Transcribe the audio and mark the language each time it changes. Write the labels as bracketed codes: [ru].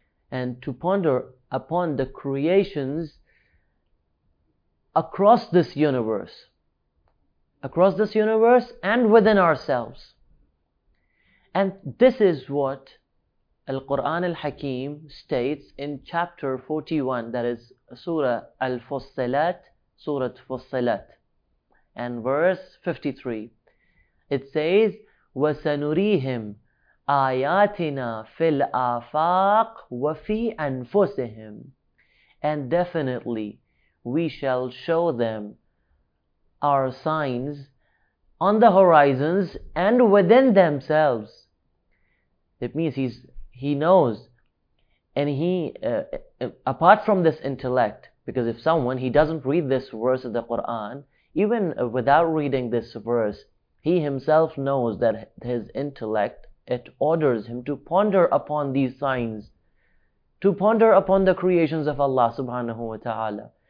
[en] And to ponder upon the creations across this universe and within ourselves. And this is what Al-Quran Al-Hakim states in chapter 41, that is Surah Al-Fussilat, Surah Fussilat, and verse 53. It says, [ar] وَسَنُرِيهِمْ آيَاتِنَا فِي الْآفَاقِ وَفِي أَنفُسِهِمْ. [en] And definitely we shall show them our signs on the horizons and within themselves. It means he knows, and he, apart from this intellect, because if someone, he doesn't read this verse of the Quran, even without reading this verse, he himself knows that his intellect, it orders him to ponder upon these signs, to ponder upon the creations of Allah subhanahu wa ta'ala.